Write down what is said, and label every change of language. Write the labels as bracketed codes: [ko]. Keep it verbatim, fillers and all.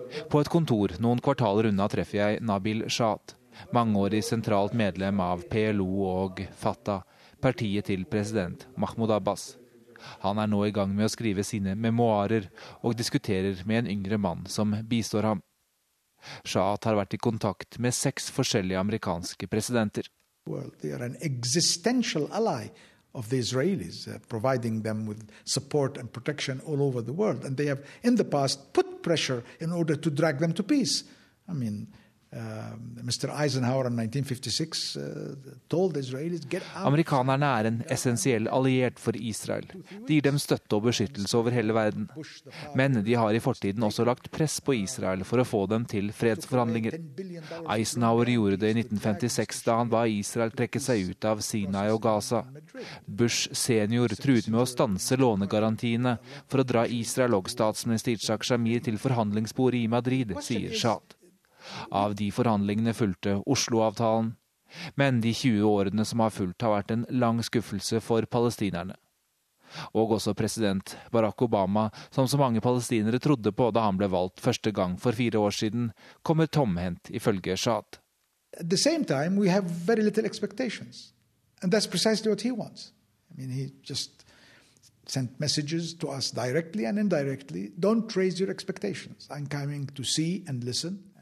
[no] På et kontor noen kvartaler unna treffer jeg Nabil Shat, mangeårig sentralt medlem av P L O og Fatah, partiet til president Mahmoud Abbas. Han er nå i gang med å skrive sine memoarer og diskuterer med en yngre mann som bistår ham. Shat har vært i kontakt med seks forskjellige amerikanske presidenter. [en] Well, they are an existential ally of the Israelis, uh, providing them with support and protection all over the world. And they have in the past put pressure in order to drag them to peace. I mean, [no] Amerikanerne er en essensiell alliert for Israel. De gir dem støtte og beskyttelse over hele verden. Men de har i fortiden også lagt press på Israel for å få dem til fredsforhandlinger. Eisenhower gjorde det i nitten femtiseks da han ba Israel trekke seg ut av Sinai og Gaza. Bush senior truet med å stanse lånegarantiene for å dra Israel og statsminister Yitzhak Shamir til forhandlingsbordet i Madrid, sier Shat. Av de forhandlingene fulgte Oslo-avtalen. Men de tjue årene som har fulgt har vært en lang skuffelse for palestinerne. Og også president Barack Obama, som så mange palestinere trodde på da han ble valgt første gang for fire år siden, kommer tomhendt ifølge Shat. [en] At the same time we have very little expectations. And that's precisely what he wants. I mean, he just sent messages to us directly and indirectly. Don't raise your expectations. I'm coming to see and listen.